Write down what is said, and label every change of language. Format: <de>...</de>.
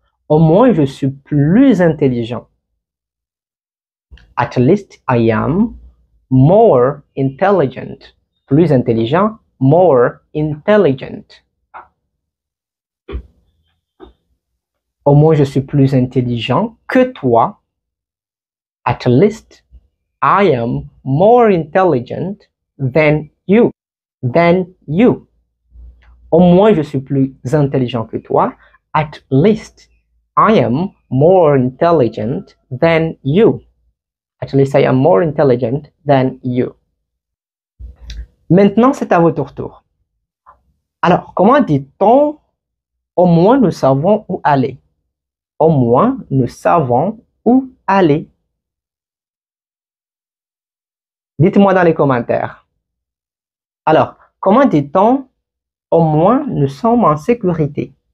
<fr>Au moins je suis plus intelligent.</fr> <en>At least I am more intelligent,</en> <fr>plus intelligent,</fr> <en>more intelligent.</en> <fr>Au moins, je suis plus intelligent que toi.</fr> <en>At least, I am more intelligent than you.</en> <fr>Au moins, je suis plus intelligent que toi.</fr> <en>At least, I am more intelligent than you. At least I am more intelligent than you.</en> <fr>Maintenant, c'est à votre tour. Alors, comment dit-on au moins nous savons où aller? Au moins nous savons où aller. Dites-moi dans les commentaires. Alors, comment dit-on au moins nous sommes en sécurité?</fr>